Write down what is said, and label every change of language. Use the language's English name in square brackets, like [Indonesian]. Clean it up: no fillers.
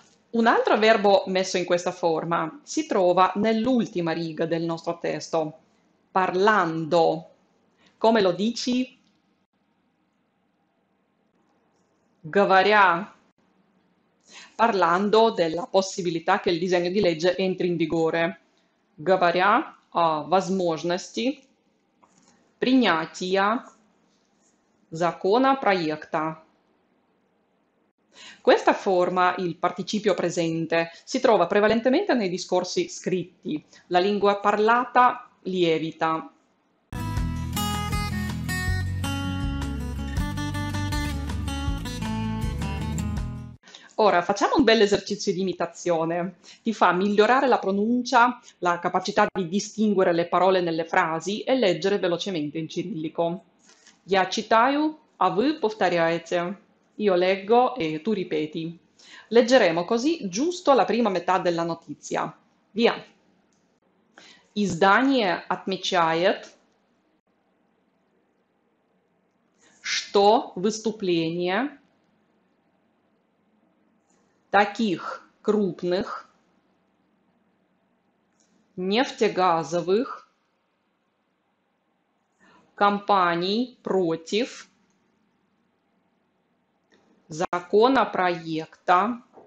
[Italian] Un altro verbo messo in questa forma si trova nell'ultima riga del nostro testo, parlando. Come lo dici? Говоря, parlando della possibilità che il disegno di legge entri in vigore. [Russian] Говоря о возможности принятия законопроекта. [Italian] Questa forma, il participio presente, si trova prevalentemente nei discorsi scritti. La lingua parlata lievita. Ora, facciamo un bel esercizio di imitazione. Ti fa migliorare la pronuncia, la capacità di distinguere le parole nelle frasi e leggere velocemente in cirillico. [Russian] Я читаю, а вы повторяете. [Italian] Io leggo e tu ripeti. Leggeremo così giusto la prima metà della notizia. Via! [Russian] Издание отмечает, что выступление таких крупных нефтегазовых компаний против законопроекта